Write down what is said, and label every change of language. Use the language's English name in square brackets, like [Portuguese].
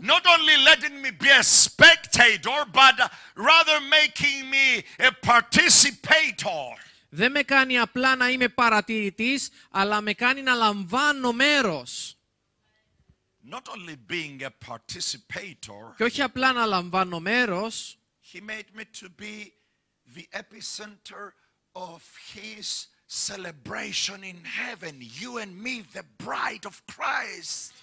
[English] not only letting me be a spectator, but rather making me a participator. [Greek] Δεν με κάνει απλά να είμαι παρατηρητής, αλλά με κάνει να λαμβάνω μέρος. [English] Not only being a participator, [Greek] και όχι απλά να λαμβάνω μέρος, [English] he made me to be the epicenter of his celebration in heaven, you and me, the bride of Christ.